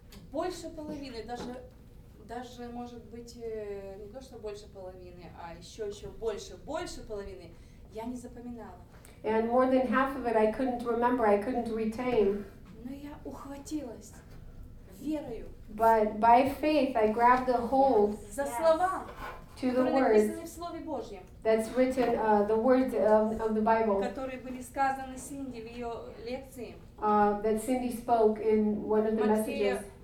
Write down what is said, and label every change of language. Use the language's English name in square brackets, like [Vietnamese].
[Russian] Больше половины, даже может быть, не то, что больше половины, а еще больше половины, я не запоминала. [English] And more than half of it I couldn't remember, I couldn't retain. [Russian] Но я ухватилась верою. [English] But by faith I grabbed a hold. [Russian] За слова. [English] To the words. [Russian] Написаны в Слове Божьем. [English] That's written, the words of the Bible. [Russian] Которые были сказаны Синди в ее лекции. [English] That Cindy spoke in one of the messages.